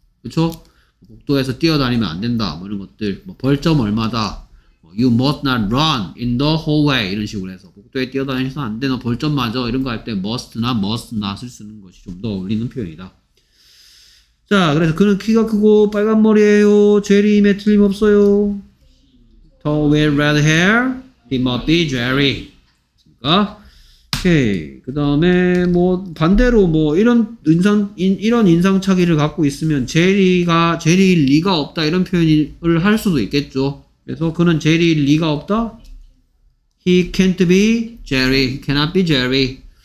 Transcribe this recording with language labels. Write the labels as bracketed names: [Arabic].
[Korean] 그렇죠? 복도에서 뛰어다니면 안 된다 뭐 이런 것들 뭐 벌점 얼마다 뭐 [English] you must not run in the hallway [Korean] 이런 식으로 해서 복도에 뛰어다니면 안 돼 너 벌점 맞아 이런 거 할 때 must나 must not을 쓰는 것이 좀 더 어울리는 표현이다. 자, 그래서 그는 키가 크고 빨간 머리예요. 제리임에 틀림없어요. [English] Tall with red hair, he must be Jerry. [Korean] 그러니까, 오케이. 그 다음에 뭐 반대로 뭐 이런 인상 차기를 갖고 있으면 제리가 제리일 리가 없다 이런 표현을 할 수도 있겠죠. 그래서 그는 제리일 리가 없다. [English] He can't be Jerry. He cannot be Jerry.